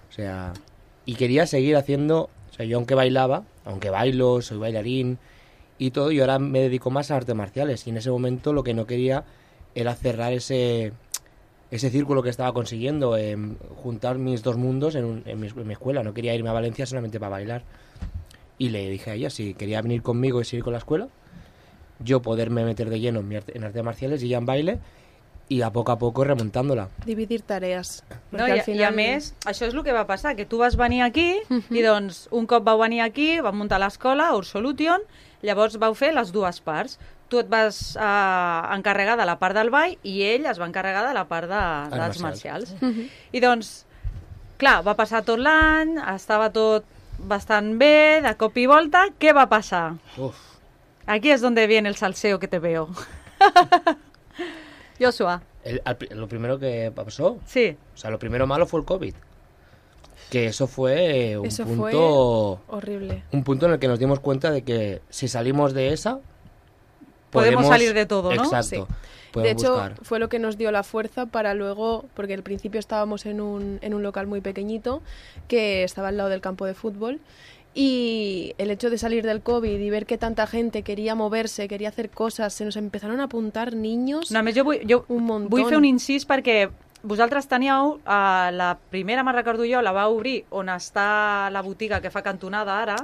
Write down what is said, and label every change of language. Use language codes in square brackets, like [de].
[es] O sea, y quería seguir haciendo... O sea, yo aunque bailaba, aunque bailo, soy bailarín y todo, yo ahora me dedico más a artes marciales. Y en ese momento lo que no quería era cerrar ese círculo que estaba consiguiendo, juntar mis dos mundos en mi escuela. No quería irme a Valencia solamente para bailar. Y le dije a ella si quería venir conmigo y seguir con la escuela, yo poderme meter de lleno en artes marciales y ya en baile... Y a poco a poco remontándola. Dividir tareas. [ca] No, i, al final... I a més, això és el que va passar, que tu vas venir aquí i doncs un cop vau venir aquí, vam muntar l'escola, Our Solution, llavors vau fer les dues parts. Tu et vas encarregar de la part del ball i ell es va encarregar de la part dels marcials. I doncs, clar, va passar tot l'any, estava tot bastant bé, de cop i volta, què va passar? Uf. [es] Aquí és donde viene el salseo que te veo. Joshua. Lo primero que pasó. Sí. O sea, lo primero malo fue el COVID. Que eso fue un eso punto. Fue horrible. Un punto en el que nos dimos cuenta de que si salimos de esa. Podemos salir de todo, ¿no? Exacto. Sí. De hecho, buscar. Fue lo que nos dio la fuerza para luego. Porque al principio estábamos en un local muy pequeñito. Que estaba al lado del campo de fútbol. Y el hecho de salir del COVID y ver que tanta gente quería moverse, quería hacer cosas, se nos empezaron a apuntar niños. No, [ca] més, jo un munt. Vull fer un incís perquè vosaltres teníeu la primera, me'n recordo jo, la va obrir on està la botiga que fa cantonada ara,